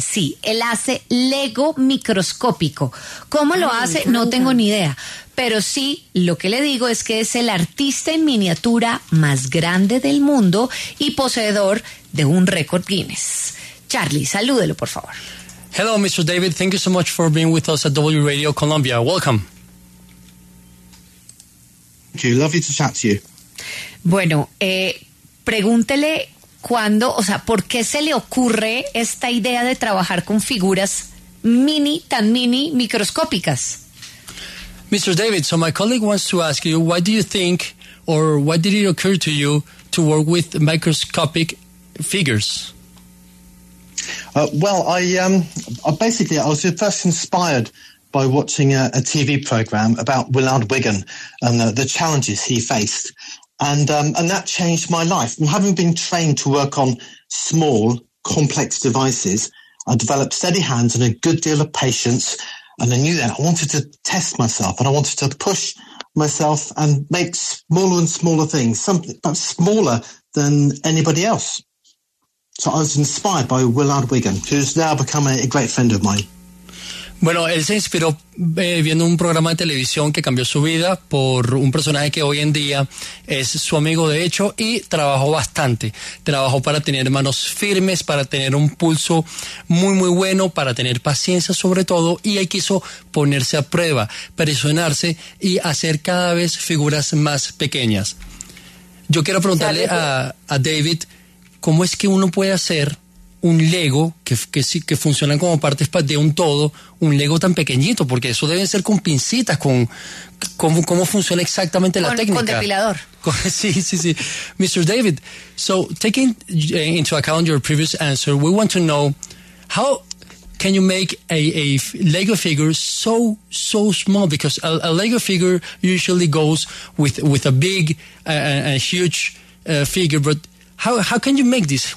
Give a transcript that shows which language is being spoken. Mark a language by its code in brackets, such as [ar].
[es] Sí, él hace Lego microscópico. ¿Cómo lo hace? No tengo ni idea. Pero sí, lo que le digo es que es el artista en miniatura más grande del mundo y poseedor de un récord Guinness. Charlie, salúdelo, por favor. [en] Hello, Mr. David. Thank you so much for being with us at W Radio Colombia. Welcome. Thank you. Lovely to chat to you. [es] Bueno, pregúntele cuándo, o sea, ¿por qué se le ocurre esta idea de trabajar con figuras mini, tan mini, microscópicas? [en] Mr. David, so my colleague wants to ask you, why do you think, or why did it occur to you to work with microscopic figures? I was first inspired by watching a TV program about Willard Wigan and the challenges he faced. And that changed my life. And having been trained to work on small, complex devices, I developed steady hands and a good deal of patience. And I knew that I wanted to test myself and I wanted to push myself and make smaller and smaller things, something perhaps smaller than anybody else. So I was inspired by Willard Wigan, who's now become a great friend of mine. [es] Bueno, él se inspiró viendo un programa de televisión que cambió su vida por un personaje que hoy en día es su amigo de hecho y trabajó bastante. Trabajó para tener manos firmes, para tener un pulso muy, muy bueno, para tener paciencia sobre todo, y él quiso ponerse a prueba, presionarse y hacer cada vez figuras más pequeñas. Yo quiero preguntarle a David, ¿cómo es que uno puede hacer un Lego que funcionan como partes de un todo, un Lego tan pequeñito? Porque eso deben ser con pincitas, con cómo funciona exactamente la técnica. Con depilador. Sí. Mr. [en] David, so taking into account your previous answer, we want to know, how can you make a Lego figure so small? Because a Lego figure usually goes with a big a huge figure, but how can you make this?